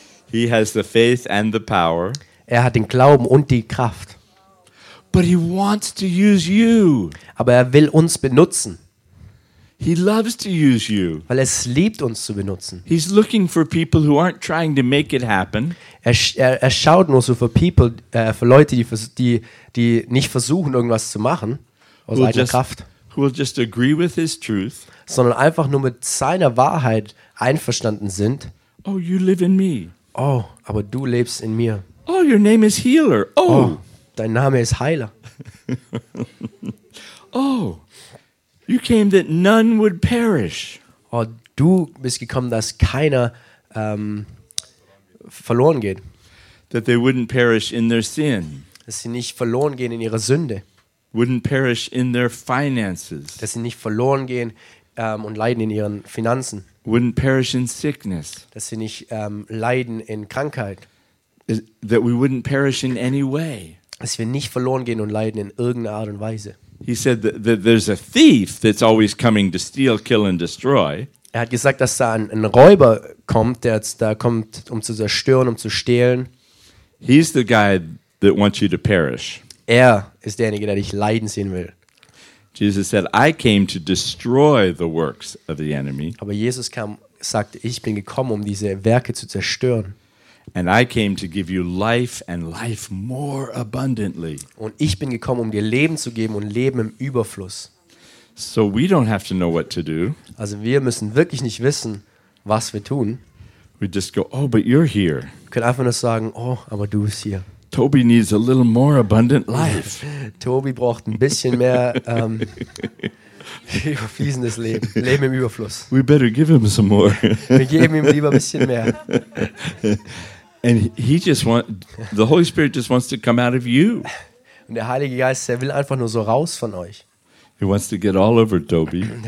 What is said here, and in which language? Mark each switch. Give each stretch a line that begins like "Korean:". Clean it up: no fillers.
English: He has the faith and the power.
German: Er hat den Glauben und die Kraft.
English: But he wants to use you.
German: Aber er will uns benutzen.
English: He loves to use you.
German: Weil es liebt, uns zu benutzen.
English: He's looking for people who aren't trying to make it happen.
German: Er schaut nur so für Leute, die nicht versuchen, irgendwas zu machen aus eigener Kraft.
English: Who will just agree with his truth.
German: Sondern einfach nur mit seiner Wahrheit einverstanden sind.
English: Oh, you live in me.
German: Oh, aber du lebst in mir.
English: Oh, your name is healer. Oh,
German: Dein Name ist Heiler.
English: Oh, you came that none would perish.
German: Oh, du bist gekommen, dass keiner verloren geht.
English: That they wouldn't perish in their sin.
German: Dass sie nicht verloren gehen in ihrer Sünde.
English: Wouldn't perish in their finances.
German: Dass sie nicht verloren gehen und leiden in ihren Finanzen.
English: Wouldn't perish in sickness.
German: Dass sie nicht leiden in Krankheit.
English: That we wouldn't perish in any way.
German: Dass wir nicht verloren gehen und leiden in irgendeiner Art und Weise.
English: He said that there's a thief that's always coming to steal, kill and destroy.
German: Er hat gesagt, dass da ein Räuber kommt, der jetzt da kommt, um zu zerstören, um zu stehlen.
English: He's the guy that wants you to perish.
German: Er ist derjenige, der dich leiden sehen will.
English: Jesus said, I came to destroy the works of the enemy.
German: Aber Jesus kam, sagte, ich bin gekommen, um diese Werke zu zerstören.
English: And I came to give you life and life more abundantly.
German: Und ich bin gekommen, um dir Leben zu geben und Leben im Überfluss.
English: So we don't have to know what to do.
German: Also wir müssen wirklich nicht wissen, was wir tun.
English: We just go, oh, but you're here.
German: Wir können einfach nur sagen, oh, aber du bist hier.
English: Toby needs a little more abundant life.
German: Toby braucht ein bisschen mehr überfließendes Leben, Leben im Überfluss.
English: We better give him some more.
German: Wir geben ihm lieber ein bisschen mehr.
English: And he just wants, the Holy Spirit just wants to come out of you.
German: Und der Heilige Geist, der will einfach nur so raus von euch.
English: He wants to get all over Toby.